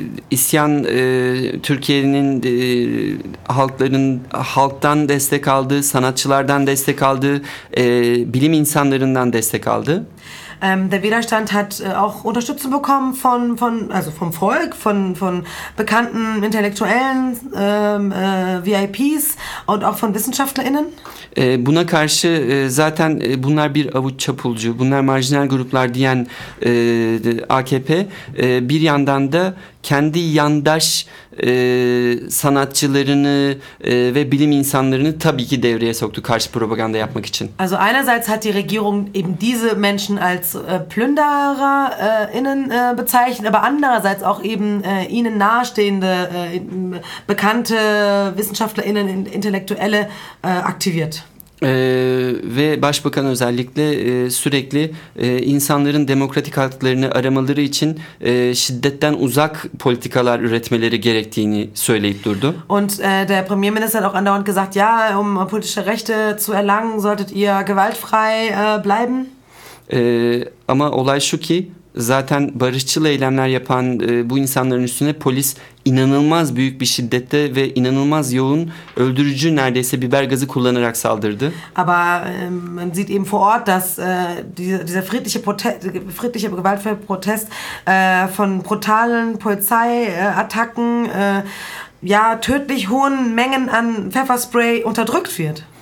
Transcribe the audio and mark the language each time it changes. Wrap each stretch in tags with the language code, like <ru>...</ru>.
<tr>İsyan Türkiye'nin halkların halktan destek aldı, sanatçılardan destek aldı, bilim insanlarından destek aldı.</tr> <de>Der Widerstand hat auch Unterstützung bekommen vom Volk, von bekannten Intellektuellen, VIPs und auch von WissenschaftlerInnen.</de> <tr>Buna karşı zaten bunlar bir avuç çapulcu, bunlar marjinal gruplar diyen AKP bir yandan da kendi yandaş sanatçılarını ve bilim insanlarını tabii ki devreye soktu karşı propaganda yapmak için.</tr> <de>Also einerseits hat die Regierung eben diese Menschen als PlündererInnen bezeichnet, aber andererseits auch eben ihnen nahestehende bekannte WissenschaftlerInnen, Intellektuelle aktiviert.</de> <tr>Ve başbakan özellikle sürekli insanların demokratik haklarını aramaları için şiddetten uzak politikalar üretmeleri gerektiğini söyleyip durdu.</tr> <de>Und der Premierminister hat auch andauernd gesagt, ja, um politische Rechte zu erlangen, solltet ihr gewaltfrei bleiben.</de> <tr>Ama olay şu ki zaten barışçıl eylemler yapan bu insanların üstüne polis inanılmaz büyük bir şiddette ve inanılmaz yoğun öldürücü neredeyse biber gazı kullanarak saldırdı.</tr> <de>Aber man sieht eben vor Ort, dass dieser friedliche gewaltfreie Protest von brutalen Polizeiattacken ja tödlich hohen Mengen an Pfefferspray unterdrückt wird.</de>